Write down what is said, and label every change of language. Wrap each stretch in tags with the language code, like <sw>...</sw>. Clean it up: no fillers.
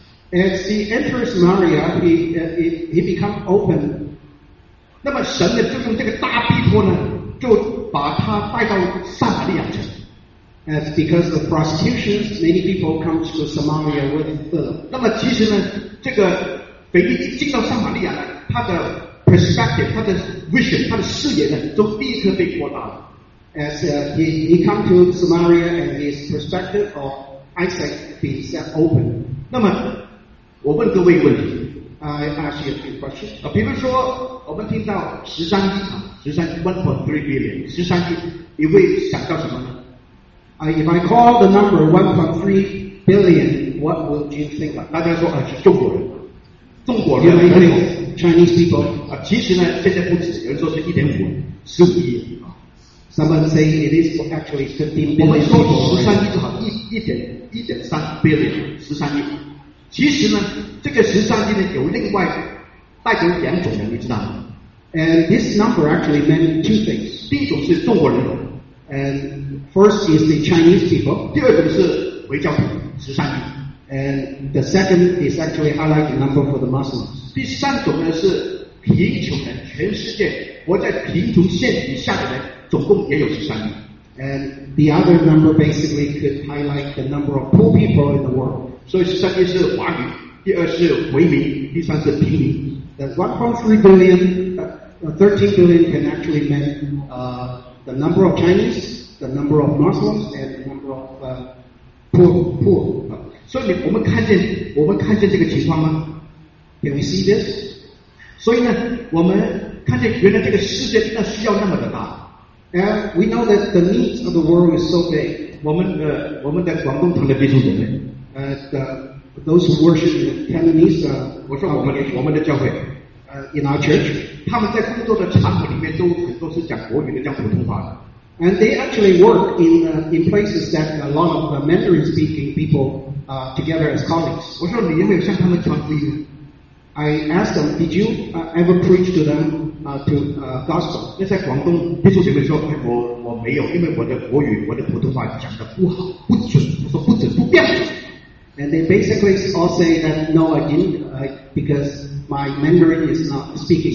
<en>As he enters Samaria, he becomes open.</en> <zh>那么神呢，就用这个大庇护呢，就把他带到撒玛利亚去。</zh> <en>That's because of prostitution, many people come to Samaria with Philip.</en> <zh>那么其实呢，这个腓立进到撒玛利亚呢，他的</zh> <en>perspective,</en> <zh>他的</zh> <en>vision,</en> <zh>他的视野呢，都立刻被扩大了。</zh> <en>As he come to Samaria and his perspective of eyesight being set open.</en> <zh>那么我问各位问题。</zh> <en>I ask you a few questions.</en> <zh>比如说我们听到十三亿啊，十三亿</zh> <en>1.3 billion,</en> <zh>十三亿，你会想到什么呢？</zh> <en>If I call the number 1.3 billion, what would you think of?</en> <zh>大家说啊，是中国人，中国人</zh> <en>you know, ，Chinese people</en> <zh>啊，其实呢，这些不止，有人说是</zh> <en>1.5 billion</en> <zh>啊。</zh> <en>Someone say it is actually 15 billion.</en> <zh>我们说13亿就好，</zh> <en>1.3 billion</en> <zh>13亿。其实呢，这个13亿呢，有另外代表两种人，你知道吗</zh> <en>？And this number actually meant two things.</en> <zh>第一种是中国人。</zh> <en>And first is the Chinese people.</en> <zh>第二种是回教徒，十三亿。</zh> <en>And the second is actually I like the number for the Muslims.</en> <zh>第三种呢是贫穷人，全世界活在贫穷线以下的人，总共也有十三亿。</zh> <en>And the other number basically could highlight the number of poor people in the world.</en> <zh>所以十三亿是华语，第二是回民，第三是平民。</zh> <en>That 1.3 billion, 13 billion can actually mean the number of Chinese, the number of Muslims, and the number of poor.</en> <zh>所以我们看见这个情况吗？</zh> <en>Can we see this?</en> <zh>所以呢，我们看见原来这个世界那需要那么的大。</zh> <en>And we know that the needs of the world is so big.</en> <zh>我们的广东堂的弟兄姊妹。</zh> <en>Those who worship the Cantonese,</en> <zh>我说我们的教会。</zh> <en>In our church,</en> <zh>他们在工作的场合里面都很多是讲国语的，讲普通话的。</zh> <en>And they actually work in places that a lot of Mandarin-speaking people together as colleagues.</en> <zh>我说你有没有向他们传福音？</zh> <en>I asked them, did you ever preach to them gospel?</en> <zh>那在广东, 弟兄姐妹说, 我没有, 因为我的国语, 我的普通话讲得不好,不准, 我说不准,</zh> <en>and they basically all say that no, I didn't, because my Mandarin is not speaking.</en>